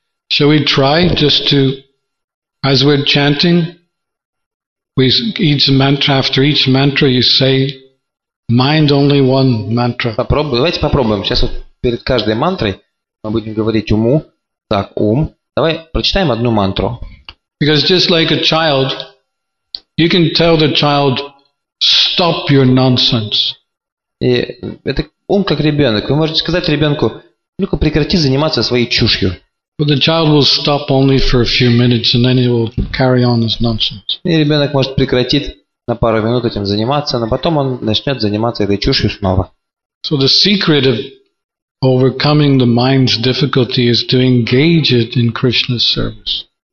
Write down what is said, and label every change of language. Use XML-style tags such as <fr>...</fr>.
<en>Shall we try just to, as we're chanting, with each mantra, after each mantra, you say, mind only one mantra.</en> <ru>Попробуем. Давайте попробуем. Сейчас вот перед каждой мантрой мы будем говорить уму. Так, ум. Давай прочитаем одну мантру.</ru> <en>Because just like a child, you can tell the child, stop your nonsense.</en> <ru>И это ум как ребенок. Вы можете сказать ребенку, ну-ка прекрати заниматься своей чушью.</ru> <en>But the child will stop only for a few minutes and then he will carry on his nonsense.</en> <ru>И ребенок может прекратить на пару минут этим заниматься, но потом он начнет заниматься этой чушью снова.</ru> <en>So the secret of overcoming the mind's difficulty is to engage it in Krishna's service.</en>